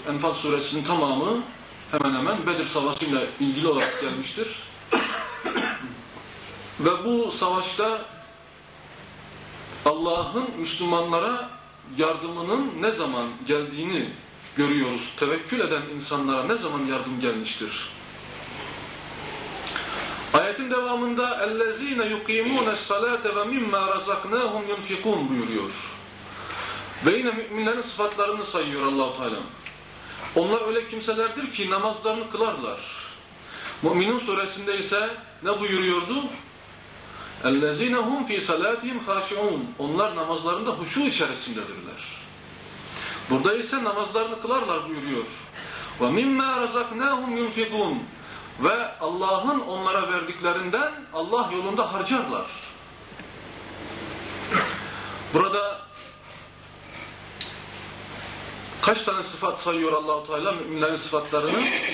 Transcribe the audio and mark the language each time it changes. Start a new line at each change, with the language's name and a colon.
Turkish: Enfal suresinin tamamı hemen hemen Bedir savaşıyla ilgili olarak gelmiştir. Ve bu savaşta Allah'ın Müslümanlara yardımının ne zaman geldiğini görüyoruz. Tevekkül eden insanlara ne zaman yardım gelmiştir?
Arabic: Ayetin devamında اَلَّذ۪ينَ يُقِيمُونَ السَّلَاةَ وَمِمَّا رَزَقْنَاهُمْ يُنْفِقُونَ
Turkish: buyuruyor. Ve yine müminlerin sıfatlarını sayıyor Allah-u Teala. Onlar öyle kimselerdir ki namazlarını kılarlar. Müminin suresinde ise ne buyuruyordu?
Arabic: اَلَّذ۪ينَ هُمْ ف۪ي سَلَاتِهِمْ خَاشِعُونَ
Turkish: Onlar namazlarında huşu içerisindedirler. Burada ise namazlarını kılarlar buyuruyor.
Arabic: وَمِمَّا رَزَقْنَاهُمْ يُنْفِقُونَ
Turkish: Ve Allah'ın onlara verdiklerinden Allah yolunda harcarlar. Burada kaç tane sıfat sayıyor Allah-u Teala müminlerin sıfatlarını?